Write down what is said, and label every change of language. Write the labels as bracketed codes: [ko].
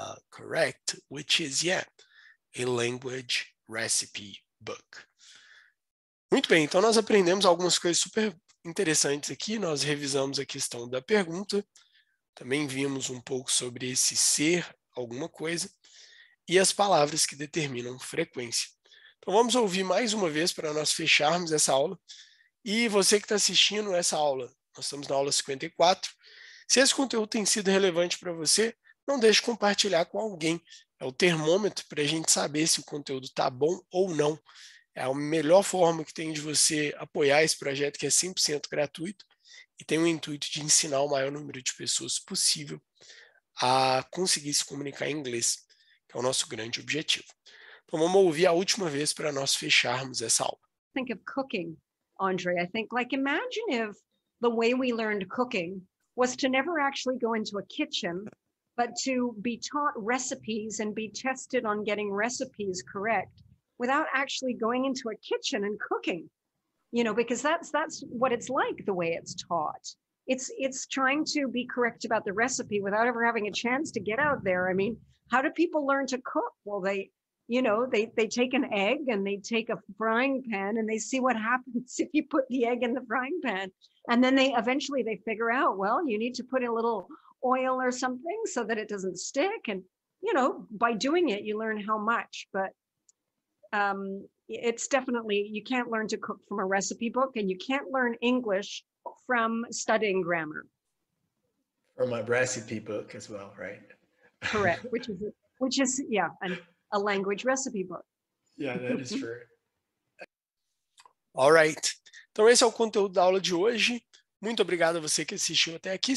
[en] Correct, which is, yeah, a language recipe book. [pt] Muito bem, então nós aprendemos algumas coisas super interessantes aqui. Nós revisamos a questão da pergunta. Também vimos um pouco sobre esse ser alguma coisa. E as palavras que determinam frequência. Então vamos ouvir mais uma vez para nós fecharmos essa aula. E você que está assistindo essa aula, nós estamos na aula 54. Se esse conteúdo tem sido relevante para você, não deixe de compartilhar com alguém. É o termômetro para a gente saber se o conteúdo está bom ou não. É a melhor forma que tem de você apoiar esse projeto, que é 100% gratuito, e tem o intuito de ensinar o maior número de pessoas possível a conseguir se comunicar em inglês, que é o nosso grande objetivo. Então vamos ouvir a última vez para nós fecharmos essa aula. [en] Think of cooking, Andre. I think, like, imagine if the way we learned cooking was to never actually go into a kitchen, but but to be taught recipes and be tested on getting recipes correct without actually going into a kitchen and cooking, you know, because that's what it's like the way it's taught. It's trying to be correct about the recipe without ever having a chance to get out there. I mean, how do people learn to cook? Well, they, you know, they take an egg and they take a frying pan and they see what happens if you put the egg in the frying pan. And then they eventually figure out, well, you need to put a little oil or something so that it doesn't stick. And, you know, by doing it, you learn how much, but it's definitely, you can't learn to cook from a recipe book and you can't learn English from studying grammar. From a recipe book as well, right? Correct, which is yeah, a language recipe book. Yeah, that is true. All right. [pt] Então esse é o conteúdo da aula de hoje. Muito obrigado a você que assistiu até aqui.